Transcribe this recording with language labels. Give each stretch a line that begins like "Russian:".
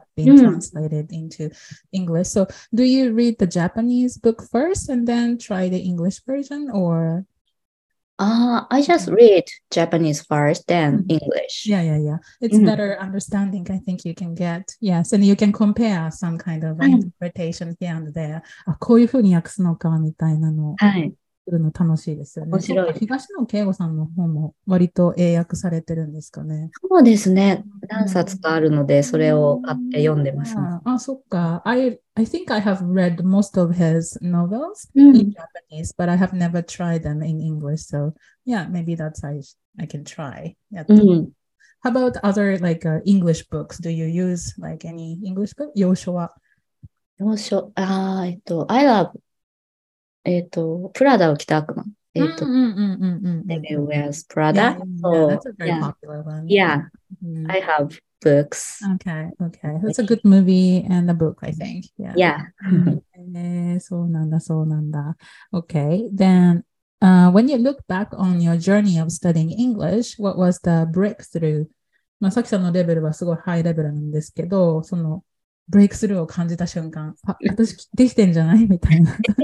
English: Being translated into English. So do you read the Japanese book first and then try the English version or? I just read Japanese first, then English. Yeah. It's better understanding, I think you can get. Yes, and you can compare some kind of interpretation here and there.
Japanese: あ、こういうふうに訳すのかみたいなのを見るの楽しいですよね。面白い。東野圭吾さんの本も割と英訳されてるんですかね。そうですね。何冊かあるので、それを買って読んでます、ね。あ、そっか。
English: I think I have read most of his novels in Japanese, but I have never tried them in English. So, yeah, maybe that's how I can try. How about other like, English books? Do you use like, any English book? 洋書は洋書、I love Prada を着た悪魔。 Devil Wears Prada. That's a very popular one. Yeah, I have. Books. Okay. That's a good movie and a book, I think. Yeah.
Japanese: そうなんだ、そうなんだ。
English: Okay. Then, when you look back on your journey of studying English, what was the breakthrough?
Japanese: まあ、さきさんのレベルはすごいハイレベルなんですけど、そのブレイクスルーを感じた瞬間、あ、私できてんじゃないみたいな。